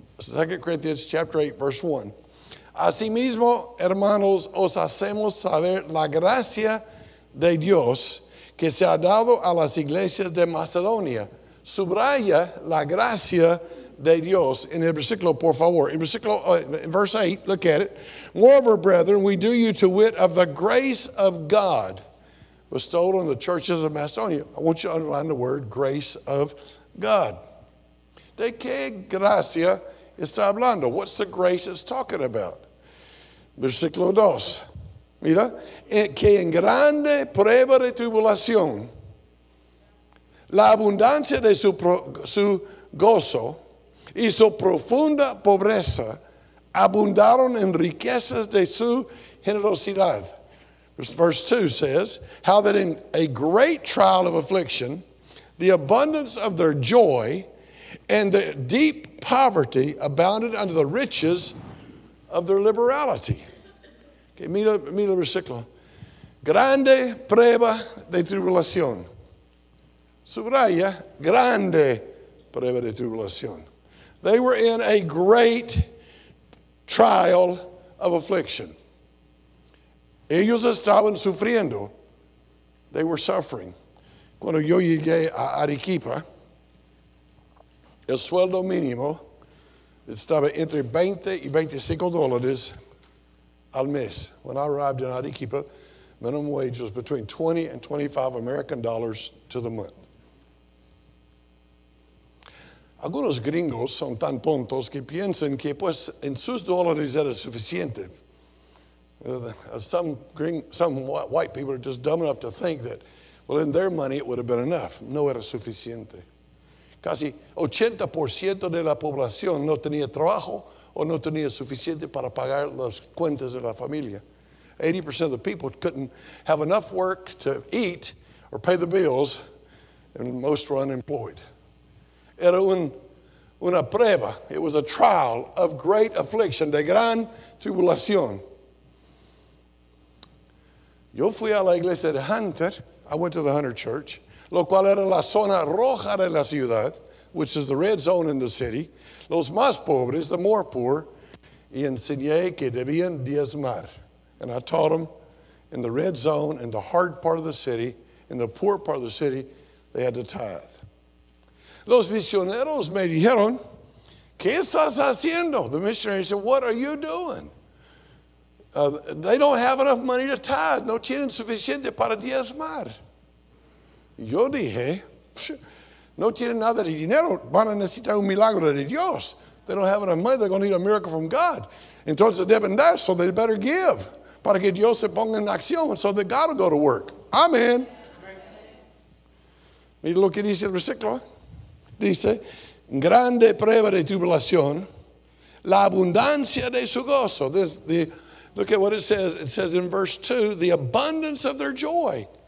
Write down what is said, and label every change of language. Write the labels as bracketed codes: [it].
[en] 2 Corinthians chapter 8, verse 1. [es] Asimismo, hermanos, os hacemos saber la gracia de Dios que se ha dado a las iglesias de Macedonia. Subraya la gracia de Dios en el versículo, por favor. En versículo, [en] verse 8, look at it. Moreover, brethren, we do you to wit of the grace of God bestowed on the churches of Macedonia. I want you to underline the word grace of God. [es] ¿De qué gracia está hablando? [en] What's the grace it's talking about? [es] Versículo 2. Mira, que en grande prueba de tribulación, la abundancia de su gozo y su profunda pobreza abundaron en riquezas de su generosidad. [en] Verse 2 says, how that in a great trial of affliction, the abundance of their joy and the deep poverty abounded under the riches of their liberality. [es] Okay, mira el versículo. Grande prueba de tribulación. Subraya, grande prueba de tribulación. [en] They were in a great trial of affliction. [es] Ellos estaban sufriendo. [en] They were suffering. [es] Cuando yo llegué a Arequipa, el sueldo mínimo estaba entre 20 y 25 dólares al mes. [en] When I arrived in Arequipa, minimum wage was between 20 and 25 American dollars to the month. [es] Algunos gringos son tan tontos que piensan que pues en sus dólares era suficiente. [en] Some white people are just dumb enough to think that, well, in their money it would have been enough. [es] No era suficiente. Casi 80% de la población no tenía trabajo o no tenía suficiente para pagar las cuentas de la familia. [en] 80% of the people couldn't have enough work to eat or pay the bills, and most were unemployed. [es] Era una prueba. [en] It was a trial of great affliction, [es] de gran tribulación. Yo fui a la iglesia de Hunter. [en] I went to the Hunter Church. [es] Lo cual era la zona roja de la ciudad, [en] which is the red zone in the city. [es] Los más pobres, [en] the more poor, [es] y enseñé que debían diezmar. [en] And I taught them in the red zone, in the hard part of the city, in the poor part of the city, they had to tithe. [es] Los misioneros me dijeron, ¿qué estás haciendo? [en] The missionary said, what are you doing? They don't have enough money to tithe. [es] No tienen suficiente para diezmar. Yo dije, no tienen nada de dinero, van a necesitar un milagro de Dios. [en] They don't have enough money, they're going to need a miracle from God. [es] Entonces deben dar, [en] so they better give, [es] para que Dios se ponga en acción, [en] so that God will go to work. [es] Amen. Mira lo que dice el versículo. Dice, grande prueba de tribulación, la abundancia de su gozo. [en] Look at what it says. It says in verse 2, the abundance of their joy.